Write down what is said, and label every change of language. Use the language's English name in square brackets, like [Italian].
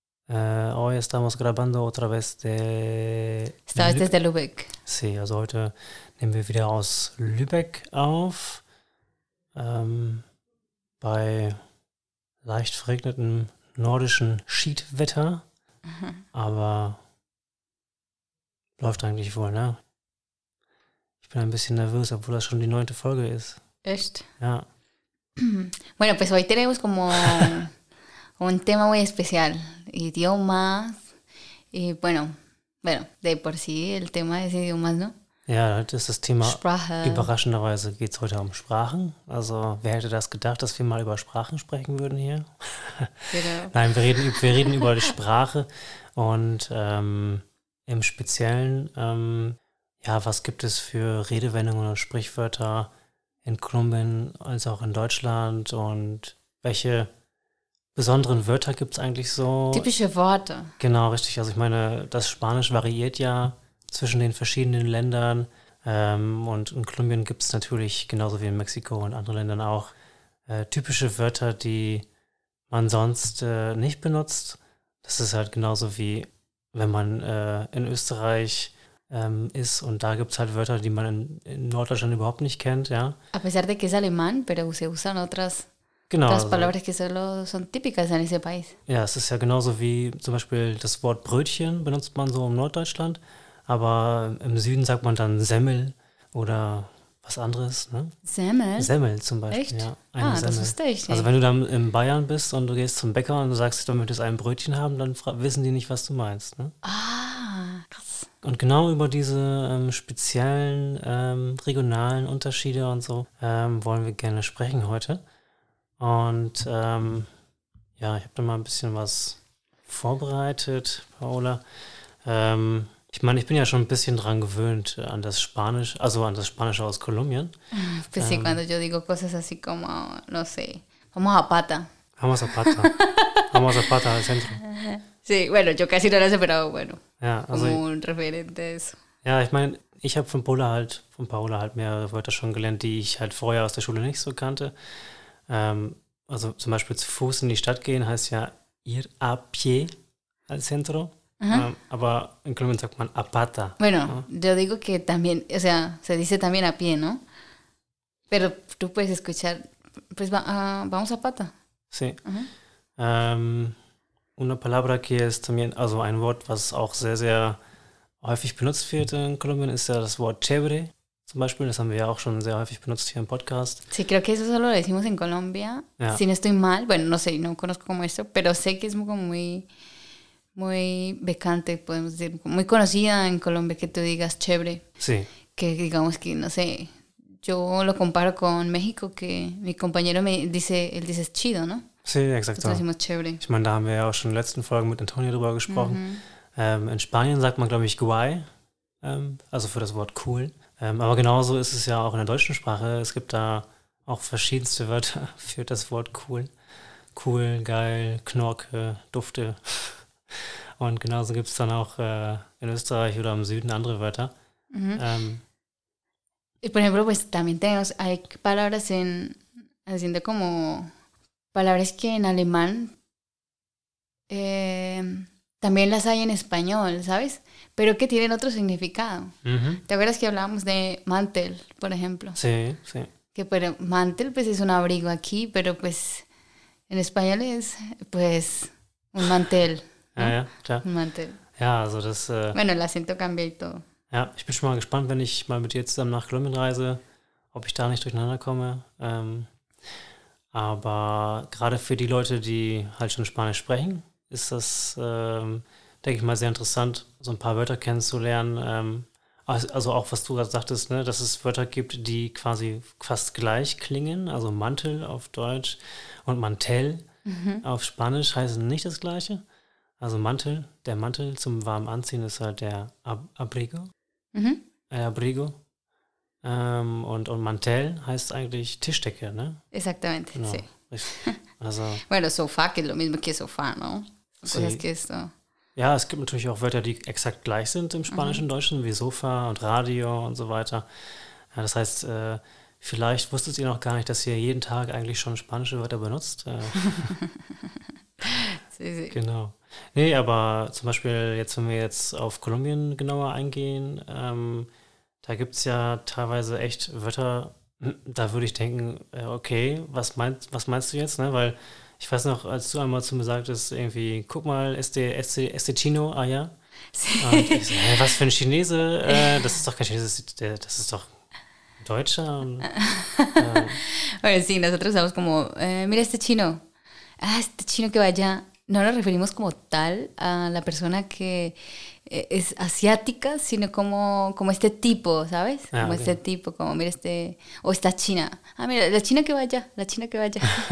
[Spanish] Hoy estamos grabando otra vez de... Desde Lübeck. [German] Sí, also heute nehmen wir wieder aus Lübeck auf, bei leicht verregnetem nordischen Schiedwetter, aber läuft eigentlich wohl, ne? Ich bin ein bisschen nervös, obwohl das schon die 9. Folge ist. Echt? Ja. [Spanish] Bueno, pues hoy tenemos como un tema muy especial, idiomas, y bueno, de por sí el tema es idiomas, ¿no? [German] Ja, heute ist das Thema, überraschenderweise geht es heute um Sprachen. Also wer hätte das gedacht, dass wir mal über Sprachen sprechen würden hier? Genau. Nein, wir reden über die Sprache und im Speziellen, was gibt es für Redewendungen und Sprichwörter in Kolumbien als auch in Deutschland und welche besonderen Wörter gibt es eigentlich so? Typische Worte. Genau, richtig. Also ich meine, das Spanisch variiert ja zwischen den verschiedenen Ländern und in Kolumbien gibt es natürlich, genauso wie in Mexiko und anderen Ländern auch, typische Wörter, die man sonst nicht benutzt. Das ist halt genauso wie, wenn man in Österreich ist und da gibt es halt Wörter, die man in Norddeutschland überhaupt nicht kennt, ja. [Spanish] A pesar de que es alemán, pero se usan otras palabras que solo son típicas en ese país. [German] Ja, es ist ja genauso wie zum Beispiel das Wort Brötchen benutzt man so in Norddeutschland. Aber im Süden sagt man dann Semmel oder was anderes, ne? Semmel? Semmel zum Beispiel, echt? Ja. Eine Semmel. Das wusste ich nicht. Also wenn du dann in Bayern bist und du gehst zum Bäcker und du sagst, du möchtest ein Brötchen haben, dann wissen die nicht, was du meinst, ne? Ah, krass. Und genau über diese speziellen regionalen Unterschiede und so wollen wir gerne sprechen heute. Und ich habe da mal ein bisschen was vorbereitet, Paola. Ich meine, ich bin ja schon ein bisschen dran gewöhnt an das Spanisch, also an das Spanische aus Kolumbien. [Spanish] Pues sí, cuando yo digo cosas así como, no sé, vamos a Pata. Vamos a Pata. Vamos a Pata al centro. Sí, bueno, yo casi no lo sé, pero bueno, [German] ja, also [Spanish] como un referente eso. [German] Ja, ich meine, ich habe von Paola halt mehr Wörter schon gelernt, die ich halt vorher aus der Schule nicht so kannte. Also zum Beispiel zu Fuß in die Stadt gehen heißt ja [Spanish] ir a pie al centro. Uh-huh. [German] Aber in Kolumbien sagt man a pata. [Spanish] Bueno, ¿no? Yo digo que también, o sea, se dice también a pie, ¿no? Pero tú puedes escuchar, pues vamos a pata. Sí. Uh-huh. Una palabra que es también, [German] also ein Wort, was auch sehr, sehr häufig benutzt wird in Kolumbien, ist ja das Wort chévere, zum Beispiel. Das haben wir ja auch schon sehr häufig benutzt hier im Podcast. [Spanish] Sí, creo que eso solo lo decimos en Colombia. [German] Ja. [Spanish] Si no estoy mal, bueno, no sé, no conozco como esto, pero sé que es como muy... muy bekannte, podemos decir, muy conocida en Colombia, que tú digas chévere. Sí. Que digamos que, no sé, yo lo comparo con México, que mi compañero me dice, él dice es chido, ¿no? Sí, exacto. Nosotros decimos chévere. [German] Ich meine, da haben wir ja auch schon in der letzten Folge mit Antonio drüber gesprochen. Mm-hmm. In Spanien sagt man, glaube ich, guay, also für das Wort cool. Aber genauso ist es ja auch in der deutschen Sprache. Es gibt da auch verschiedenste Wörter für das Wort cool. Cool, geil, Knorke, Dufte. Und genauso gibt es dann auch in Österreich oder im Süden andere Wörter. Mm-hmm. [Spanish] Por ejemplo, pues también tenemos, hay palabras en, haciendo como, palabras que en alemán también las hay en español, ¿sabes? Pero que tienen otro significado. Mm-hmm. ¿Te acuerdas que hablábamos de mantel, por ejemplo? Sí, sí. Que pero mantel, pues es un abrigo aquí, pero pues en español es, pues, un mantel. [German] Ja, klar. Mantel. Ja, also das... [Spanish] Bueno, el acento cambia y todo. [German] Ja, ich bin schon mal gespannt, wenn ich mal mit dir zusammen nach Kolumbien reise, ob ich da nicht durcheinander komme. Aber gerade für die Leute, die halt schon Spanisch sprechen, ist das, denke ich mal, sehr interessant, so ein paar Wörter kennenzulernen. Also auch, was du gerade sagtest, ne, dass es Wörter gibt, die quasi fast gleich klingen. Also Mantel auf Deutsch und Mantel auf Spanisch heißen nicht das Gleiche. Also Mantel, der Mantel zum warmen Anziehen ist halt der Abrigo. Mhm. [Spanish] El Abrigo. [German] Und Mantel heißt eigentlich Tischdecke, ne? [Spanish] Exactamente, no, sí. [German] Also, [Spanish] bueno, Sofa, que es lo mismo que Sofa, ¿no? Sí. Cosas que esto. [German] Ja, es gibt natürlich auch Wörter, die exakt gleich sind im Spanischen und Deutschen, wie Sofa und Radio und so weiter. Ja, das heißt, vielleicht wusstet ihr noch gar nicht, dass ihr jeden Tag eigentlich schon spanische Wörter benutzt. Sí, sí. Genau. Nee, aber zum Beispiel jetzt, wenn wir jetzt auf Kolumbien genauer eingehen, da gibt es ja teilweise echt Wörter, da würde ich denken, okay, was meinst du jetzt? Ne? Weil ich weiß noch, als du einmal zu mir sagtest, irgendwie, guck mal, [Spanish] este Chino, [German] ah ja. [Spanish] Sí. [German] Und ich so, was für ein Chinese? Das ist doch kein Chinese, das ist doch ein Deutscher. [Spanish] Bueno, sí, nosotros somos como, mira este Chino. Ah, este Chino que va allá. No nos referimos como tal a la persona que es asiática, sino como este tipo, ¿sabes? Ah, como okay. Este tipo, como mira este... O esta china. Ah, mira, la china que va allá, la china que va allá.